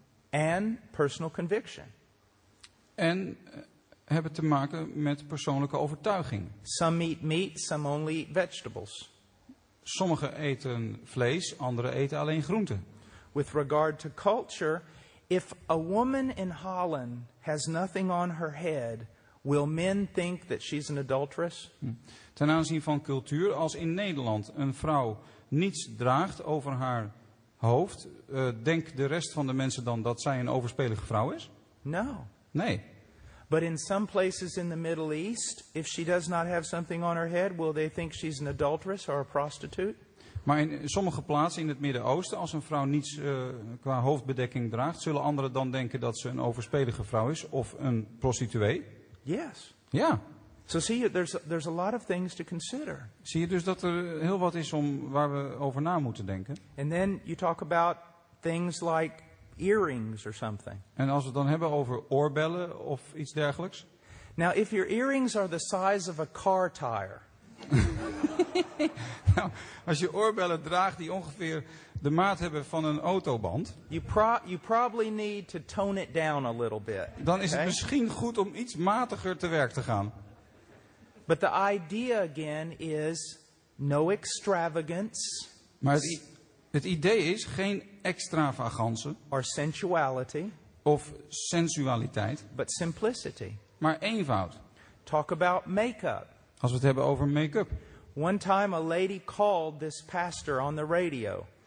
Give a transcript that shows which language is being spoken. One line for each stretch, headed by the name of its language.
English: And personal conviction.
Dutch: En hebben te maken met persoonlijke overtuiging.
English: Some eat meat, some only eat vegetables.
Dutch: Sommigen eten vlees, anderen eten alleen groenten.
English: With regard to culture, if a woman in Holland has nothing on her head, will men think that she's an adulteress?
Dutch: Ten aanzien van cultuur, als in Nederland een vrouw niets draagt over haar hoofd, denkt de rest van de mensen dan dat zij een overspelige vrouw is?
English: No.
Dutch: Nee.
English: But in some places in the Middle East, if she does not have something on her head, will they think she's an adulteress or a prostitute?
Dutch: Maar in sommige plaatsen in het Midden-Oosten, als een vrouw niets qua hoofdbedekking draagt, zullen anderen dan denken dat ze een overspelige vrouw is of een prostituee?
English: Yes.
Dutch: Ja.
English: So see, there's a lot of things to consider.
Dutch: Zie je dus dat er heel wat is om waar we over na moeten denken?
English: And then you talk about things like earrings or something.
Dutch: En als we het dan hebben over oorbellen of iets dergelijks?
English: Now, if your earrings are the size of a car tire.
Dutch: Nou, als je oorbellen draagt die ongeveer de maat hebben van een autoband,
English: you probably need to tone it down a little bit.
Dutch: Dan is het misschien goed om iets matiger te werk te gaan.
English: But the idea again is no extravagance.
Dutch: Maar het idee is geen extravagance
English: or sensuality,
Dutch: of sensualiteit,
English: but simplicity.
Dutch: Maar eenvoud.
English: Talk about make-up.
Dutch: Als we het hebben over make-up.
English: One time a lady called this pastor on the radio.